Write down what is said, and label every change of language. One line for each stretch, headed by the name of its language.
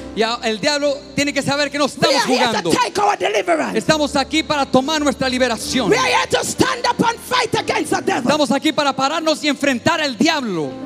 Spanish: Ya el diablo tiene que saber que no estamos jugando.
English: We are here to take our deliverance.
Spanish: Estamos aquí para tomar nuestra liberación.
English: We are here to stand up and fight against the devil.
Spanish: Estamos aquí para pararnos y enfrentar al diablo.